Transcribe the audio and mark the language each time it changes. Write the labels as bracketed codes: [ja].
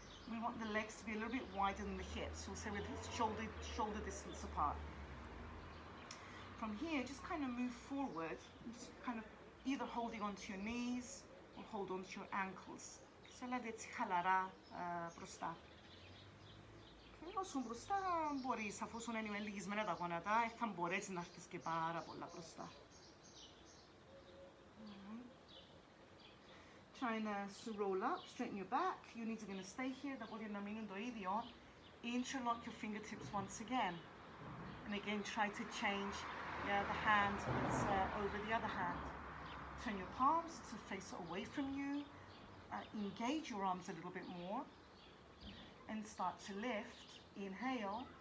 [en] We want the legs to be a little bit wider than the hips. We'll say with shoulder distance apart. From here, just kind of move forward. Just kind of either holding onto your knees or hold on to your ankles. [el] Θέλετε έτσι χαλαρά μπροστά. Και λίγο σου μπροστά μπορείς, αφού σου είναι λυγισμένα τα γόνατα, θα μπορέσει να έρθεις και πάρα πολλά μπροστά. [en] Trying to roll up, straighten your back. Your knees are going to stay here. [el] Τα πόδια να μείνουν το ίδιο. [en] Interlock your fingertips once again. And again, try to change the hand that's over the other hand. Turn your palms to face away from you. Engage your arms a little bit more. And start to lift. Inhale.